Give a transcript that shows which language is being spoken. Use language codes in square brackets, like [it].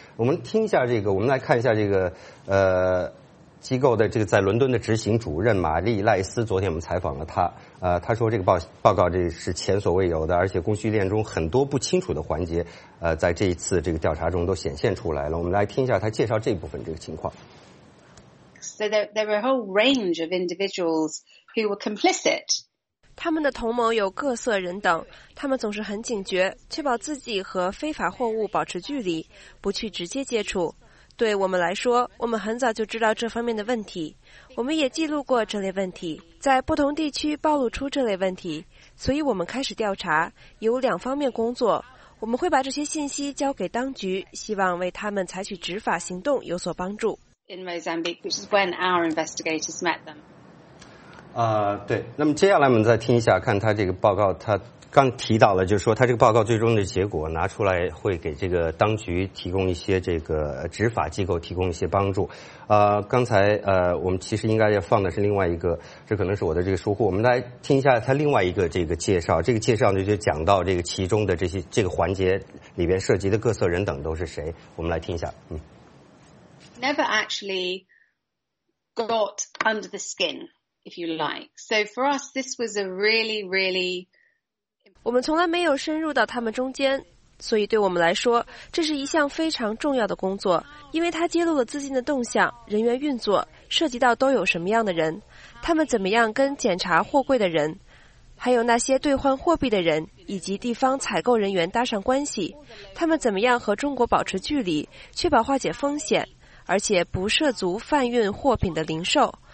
[zh] 我们听一下这个，我们来看一下这个机构的这个在伦敦的执行主任玛丽赖斯，昨天我们采访了他，他说这个报告这是前所未有的，而且供需链中很多不清楚的环节在这一次这个调查中都显现出来了。我们来听一下他介绍这部分这个情况。 [en] So there were a whole range of individuals who were complicit。 [zh] 他们的同谋有各色人等，他们总是很警觉，确保自己和非法货物保持距离，不去直接接触。对我们来说，我们很早就知道这方面的问题，我们也记录过这类问题，在不同地区暴露出这类问题，所以我们开始调查，有两方面工作。我们会把这些信息交给当局，希望为他们采取执法行动有所帮助。 [en] In Mozambique, which is when our investigators met them. [zh] 对，那么接下来我们再听一下，看他这个报告，他刚提到了，就是说他这个报告最终的结果拿出来会给这个当局提供一些这个执法机构提供一些帮助。刚才我们其实应该要放的是另外一个，这可能是我的这个疏忽，我们来听一下他另外一个这个介绍。这个介绍呢就讲到这个其中的这些这个环节里边涉及的各色人等都是谁，我们来听一下。 [en] Never actually got under the skin. If you like. So for us, this was a really, really. [zh] 我们从来没有深入到他们中间，所以对我们来说，这是一项非常重要的工作，因为它揭露了资金的动向、人员运作，涉及到都有什么样的人，他们怎么样跟检查货柜的人，还有那些兑换货币的人，以及地方采购人员搭上关系，他们怎么样和中国保持距离，确保化解风险，而且不涉足贩运货品的零售。